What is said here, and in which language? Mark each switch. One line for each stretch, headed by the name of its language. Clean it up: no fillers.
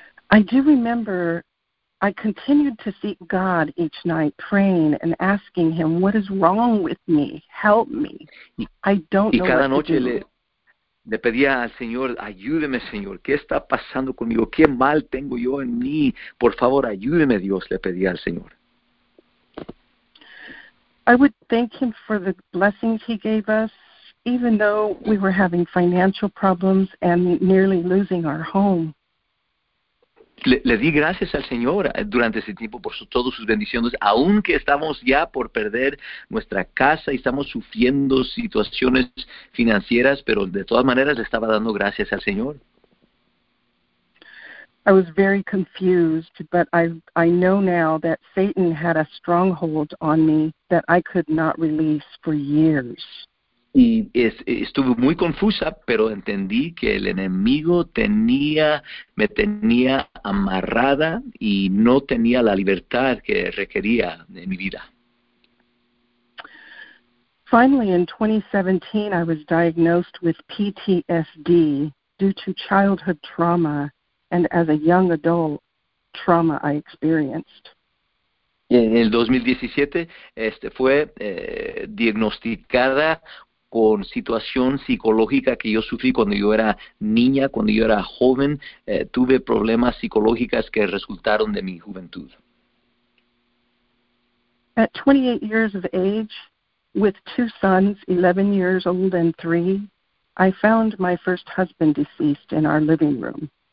English: I do remember I continued to seek God each night, praying and asking him, what is wrong with me? Help me. I don't know what to do.
Spanish: Le pedía al Señor, ayúdeme, Señor. ¿Qué está pasando conmigo? ¿Qué mal tengo yo en mí? Por favor, ayúdeme, Dios, le pedía al Señor.
English: I would thank him for the blessings he gave us, even though we were having financial problems and nearly losing our home.
Spanish: Le di gracias al Señor durante ese tiempo por todas sus bendiciones, aunque estamos ya por perder nuestra casa y estamos sufriendo situaciones financieras, pero de todas maneras le estaba dando gracias al Señor.
English: I was very confused, but I know now that Satan had a stronghold on me that I could not release for years.
Spanish: Y estuve muy confusa, pero entendí que el enemigo me tenía amarrada y no tenía la libertad que requería en mi vida.
English: Finally, in 2017, I was diagnosed with PTSD due to childhood trauma and as a young adult trauma I experienced.
Spanish: En el 2017 fue diagnosticada con situación psicológica que yo sufrí cuando yo era niña, cuando yo era joven, tuve problemas psicológicos que resultaron de mi juventud.
English: At 28 years of age, with two sons, 11 years old and 3, I found my first husband deceased in our living room.